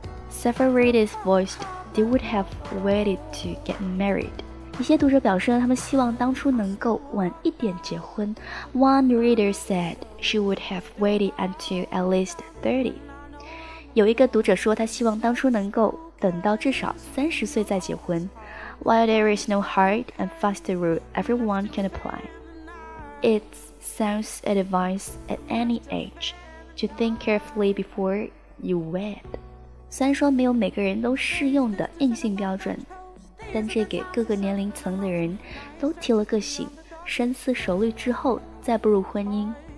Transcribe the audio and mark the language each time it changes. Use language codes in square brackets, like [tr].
[en] Separators voiced they would have waited to get married。 [zh] 一些读者表示了他们希望当初能够晚一点结婚。 [en] One reader said she would have waited until at least 30。 [zh] 有一个读者说他希望当初能够等到至少30岁再结婚。 [en] While there is no hard and fast rule everyone can apply, it's sounds advice at any age to think carefully before you wed. [zh] 虽然说没有每个人都适用的硬性标准，但这给各个年龄层的人都提了个醒，深思熟虑之后再步入婚姻。